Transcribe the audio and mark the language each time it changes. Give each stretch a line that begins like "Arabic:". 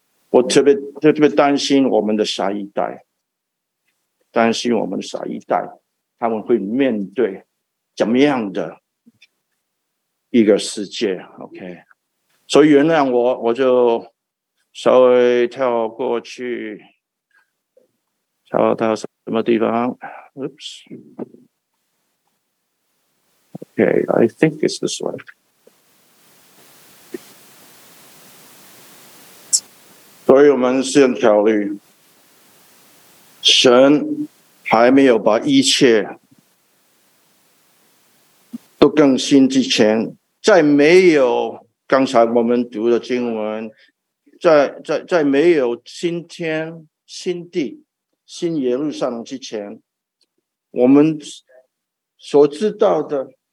Chinese: 我特别担心我们的下一代，担心我们的下一代，他们会面对怎么样的一个世界 ？OK， 所以原谅我，我就稍微跳过去，跳到什么地方 ？Oops。
English: Okay, I think it's this way.
Chinese: So, 我们先考虑，神还没有把一切都更新之前，在没有刚才我们读的经文，在没有新天、新地、新耶路撒冷之前，我们所知道的。